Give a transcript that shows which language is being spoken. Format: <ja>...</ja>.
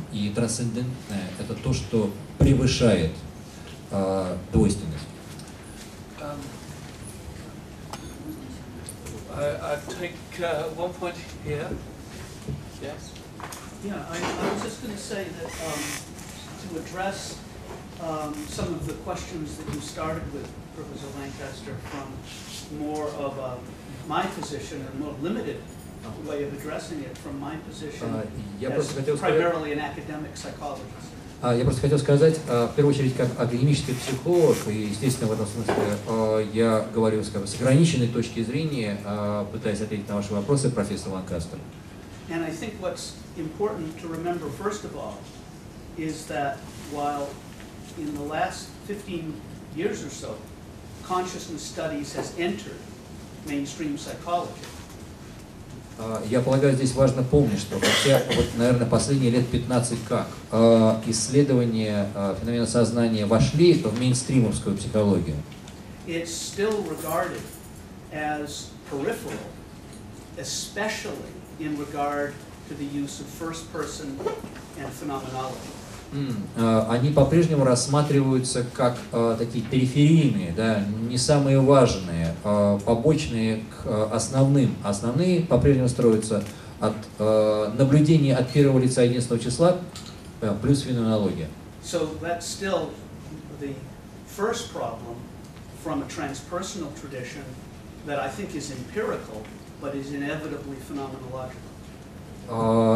<ru>И трансцендентное – это то, что превышает двойственность.</ru> <en>Some of the questions that you started with, Professor Lancaster, from more of a, my position, a more limited way of addressing it from my position as primarily an academic psychologist.</en> <ru>Я просто хотел сказать, в первую очередь, как академический психолог, и, естественно, в этом смысле я говорю, скажем, с ограниченной точки зрения, пытаясь ответить на ваши вопросы, профессор Ланкастер.</ru> <en>And I think what's important to remember, first of all, is that while in the last 15 years or so, consciousness studies has entered mainstream psychology.</en> <ru>Я полагаю, здесь важно помнить, что хотя, вот, наверное, последние лет 15 как исследования феномена сознания вошли в мейнстримовскую психологию.</ru> <en>It's still regarded as peripheral, especially in regard to the use of first person and phenomenology.</en> <ru>Они по-прежнему рассматриваются как такие периферийные, да, не самые важные, побочные к основным. Основные по-прежнему строятся от наблюдения от первого лица единственного числа плюс феноменология.</ru> <en>So that's still the first problem from a transpersonal tradition that I think is empirical, but is inevitably phenomenological.</en>